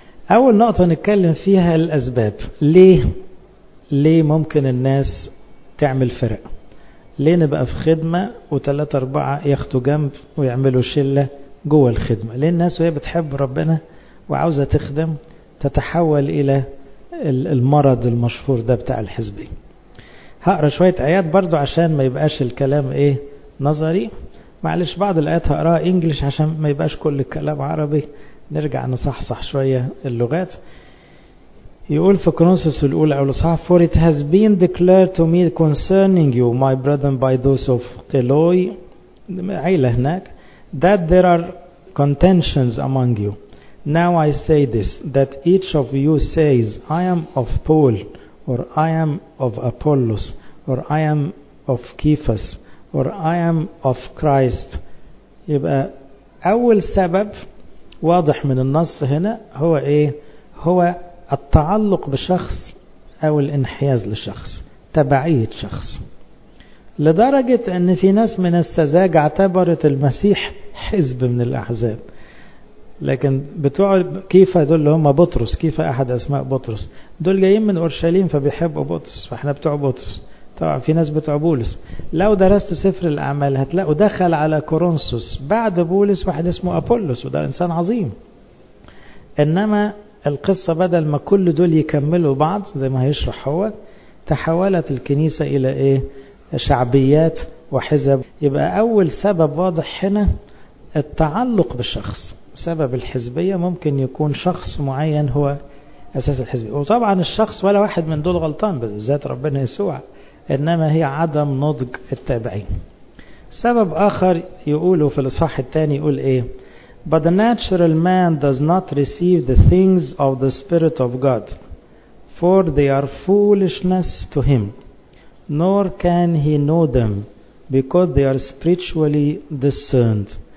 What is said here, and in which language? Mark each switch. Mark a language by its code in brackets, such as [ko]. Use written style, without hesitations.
[ar] أول نقطة نتكلم فيها الأسباب، ليه ممكن الناس تعمل فرق؟ ليه نبقى في خدمة وثلاثة أربعة ياخدوا جنب ويعملوا شلة جوه الخدمة؟ ليه الناس وهي بتحب ربنا وعاوزة تخدم تتحول إلى المرض المشهور ده بتاع الحزبية؟ هقرأ شوية آيات برضو عشان ما يبقاش الكلام إيه نظري، معلش بعض الآيات هقرأها إنجليش عشان ما يبقاش كل الكلام عربي، نرجع نصحصح شوية اللغات. يقول في كورنثوس الأولى أو الأصحاح: [en] For it has been declared to me concerning you, my brethren, by those of Chloe، [ar] عيلة هناك، [en] that there are contentions among you. Now I say this, that each of you says, I am of Paul, or I am of Apollos, or I am of Cephas, or I am of Christ. [ar] يبقى أول سبب واضح من النص هنا هو إيه؟ هو التعلق بشخص أو الانحياز لشخص، تبعية شخص، لدرجة أن في ناس من السذاجة اعتبرت المسيح حزب من الأحزاب. لكن بتوع كيفا دول هم بطرس، كيفا أحد أسماء بطرس، دول جايين من أورشليم فبيحبوا بطرس، فإحنا بتوع بطرس. طبعا في ناس بتوع بولس، لو درست سفر الأعمال هتلاقوا دخل على كورنثوس بعد بولس واحد اسمه أبولس، وده إنسان عظيم. إنما القصة بدل ما كل دول يكملوا بعض زي ما هيشرح هو، تحولت الكنيسة إلى إيه؟ شعبيات وحزب. يبقى أول سبب واضح هنا التعلق بالشخص، سبب الحزبية ممكن يكون شخص معين هو أساس الحزبية. وطبعا الشخص ولا واحد من دول غلطان، بالذات ربنا يسوع، إنما هي عدم نضج التابعين. سبب آخر يقوله في الإصحاح الثاني، يقول إيه: [en] But the natural man does not receive the things of the Spirit of God, for they are foolishness to him, nor can he know them, because they are spiritually discerned.